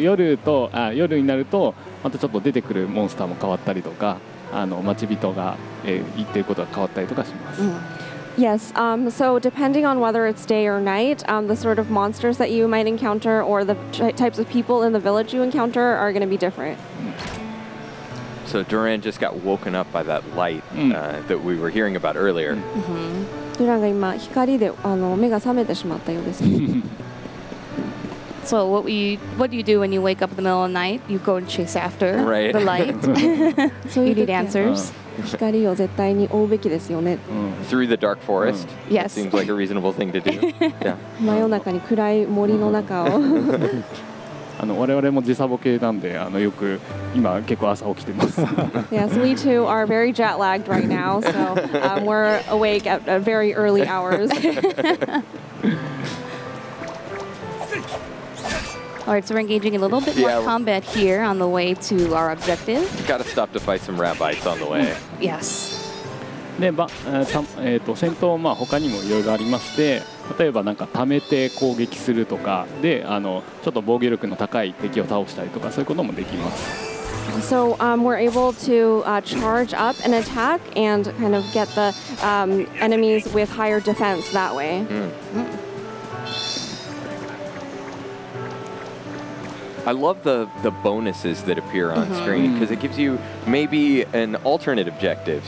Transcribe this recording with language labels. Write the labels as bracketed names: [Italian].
[Japanese] 夜と夜になるとまたちょっと出てくるモンスターも変わったりとか、あの町人が言ってることが変わったりとかします。 [English] Yes. So depending on whether it's day or night, the sort of monsters that you might encounter or the types of people in the village you encounter are going to be different. So Duran just got woken up by that light that we were hearing about earlier. [Japanese] Duran が今光であの目が覚めてしまったようです。 [English] So what do you do when you wake up in the middle of the night? You go and chase after the light. So you need answers. [Japanese] 光を絶対に追うべきですよね。 [English] Through the dark forest. Yes. Seems like a reasonable thing to do. [Japanese] 真夜中に暗い森の中を。あの我々も時差ボケなんであのよく今結構朝起きてます。 [English] Yes, we too are very jet lagged right now, so we're awake at very early hours. All right, so we're engaging a little bit more combat here on the way to our objective. Got to stop to fight some rat bites on the way. Yes. [Japanese] で、ま、戦闘まあ他にもいろいろありまして。例えばなんか貯めて攻撃するとかで、あのちょっと防御力の高い敵を倒したりとかそういうこともできます。 [English] So, we're able to charge up an attack and kind of get the enemies with higher defense that way. I love the bonuses that appear on screen because it gives you maybe an alternate objective.